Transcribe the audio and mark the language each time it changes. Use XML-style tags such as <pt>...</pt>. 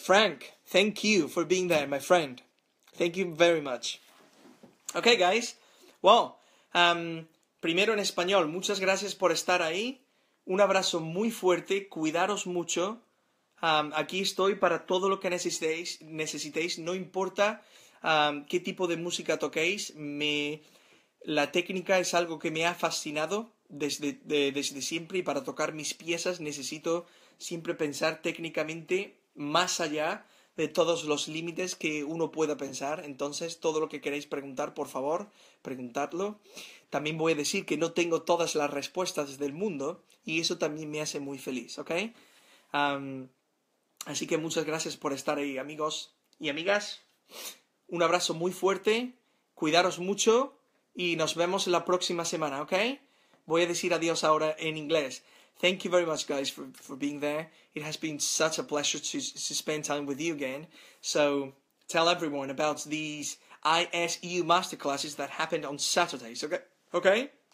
<en>Frank, thank you for being there, my friend. Thank you very much. Ok, guys, well,</en> <es>primero en español, muchas gracias por estar ahí. Un abrazo muy fuerte, cuidaros mucho. Aquí estoy para todo lo que necesitéis. No importa qué tipo de música toquéis, la técnica es algo que me ha fascinado desde siempre, y para tocar mis piezas necesito siempre pensar técnicamente más allá de todos los límites que uno pueda pensar. Entonces, todo lo que queréis preguntar, por favor, preguntadlo. También voy a decir que no tengo todas las respuestas del mundo, y eso también me hace muy feliz, ¿ok? Así que muchas gracias por estar ahí, amigos y amigas. Un abrazo muy fuerte, cuidaros mucho, y nos vemos la próxima semana, ¿ok? Voy a decir adiós ahora en inglés.</es> <en>Thank you very much, guys, for being there. It has been such a pleasure to spend time with you again. So tell everyone about these ISU masterclasses that happened on Saturdays, okay?</en>